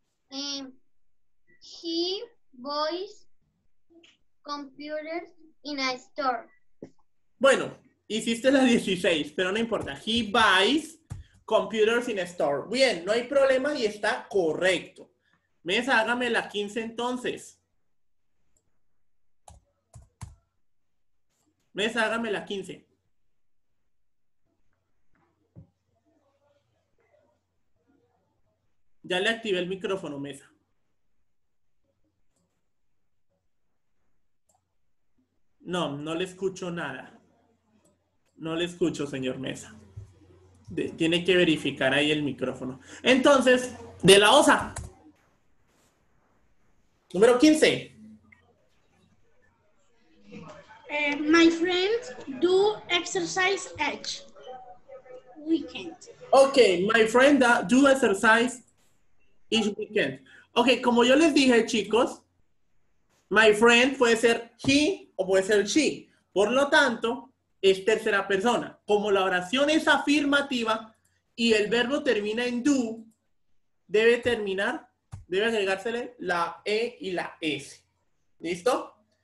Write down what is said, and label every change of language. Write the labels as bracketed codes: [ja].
[en] He buys computers in a store. [es] Bueno, hiciste la 16, pero no importa. [en] He buys computers in a store. [es] Bien, no hay problema y está correcto. Mesa, hágame la 15 entonces. Mesa, hágame la 15. Ya le activé el micrófono, Mesa. No, no le escucho nada. No le escucho, señor Mesa. Tiene que verificar ahí el micrófono. Entonces, de la OSA. Número 15. [en] My friend do exercise each weekend. Ok, my friend do exercise each weekend. [es] Ok, como yo les dije, chicos, [en] my friend [es] puede ser he o puede ser she. Por lo tanto, es tercera persona. Como la oración es afirmativa y el verbo termina en do, debe terminar, debe agregársele la E y la S. ¿Listo?